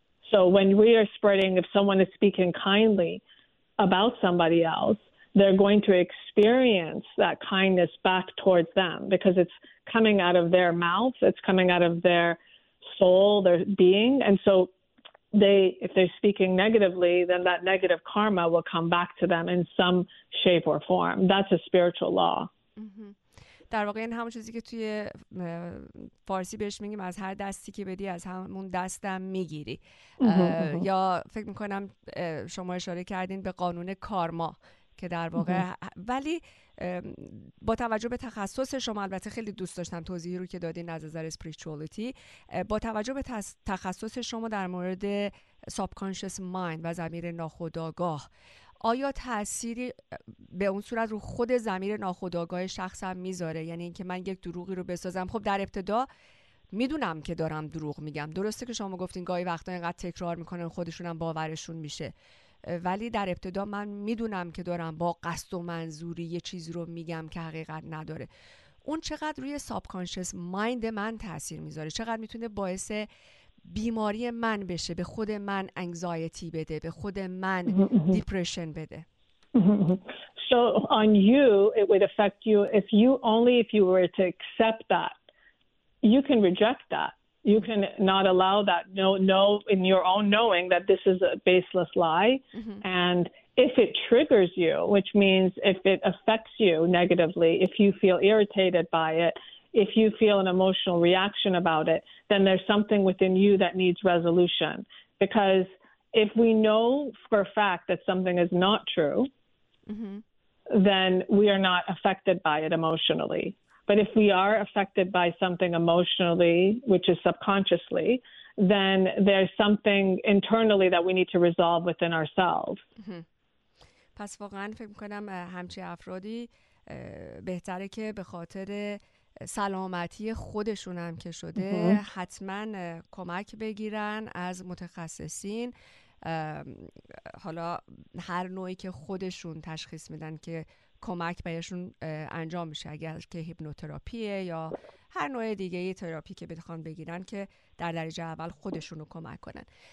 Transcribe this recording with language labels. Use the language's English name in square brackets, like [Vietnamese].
[English] So when we are spreading, if someone is speaking kindly about somebody else, they're going to experience that kindness back towards them because it's coming out of their mouth, it's coming out of their soul, their being. And so they, if they're speaking negatively, then that negative karma will come back to them in some shape or form. That's a spiritual law. [Persian] در واقع این همون چیزی که توی فارسی بهش میگیم از هر دستی که بدی از همون دستم میگیری. یا فکر میکنم شما اشاره کردین به قانون کارما که در واقع ولی با توجه به تخصص شما، البته خیلی دوست داشتم توضیحی رو که دادین از نظر اسپریچوالیتی، با توجه به تخصص شما در مورد سابکانشس مایند و ضمیر ناخودآگاه، آیا تأثیری به اون صورت رو خود ضمیر ناخودآگاه شخصم میذاره؟ یعنی اینکه من یک دروغی رو بسازم، خب در ابتدا میدونم که دارم دروغ میگم، درسته که شما گفتین گاهی وقتا اینقدر تکرار میکنن خودشون هم باورشون میشه، ولی در ابتدا من میدونم که دارم با قصد و منظوری یه چیز رو میگم که حقیقت نداره، اون چقدر روی سابکانشس مایند من تاثیر میذاره، چقدر میتونه باعث بیماری من بشه، به خود من انگزایتی بده، به خود من دیپریشن بده. [English] So on you, it would affect you if you only if you were to accept that. You can reject that. You can not allow that. No, in your own knowing that this is a baseless lie. Mm-hmm. And if it triggers you, which means if it affects you negatively, if you feel irritated by it, if you feel an emotional reaction about it, then there's something within you that needs resolution. Because if we know for a fact that something is not true, then we are not affected by it emotionally. But if we are affected by something emotionally, which is subconsciously, then there's something internally that we need to resolve within ourselves. [Persian] پس واقعا فکر می‌کنم همچی افرادی بهتره که به خاطر سلامتی خودشون هم که شده حتما کمک بگیرن از متخصصین، حالا هر نوعی که خودشون تشخیص میدن که کمک بهشون انجام میشه، اگر که هیپنوتراپیه یا هر نوع دیگه یه تراپی که بخوان بگیرن که در درجه اول خودشون رو کمک کنن.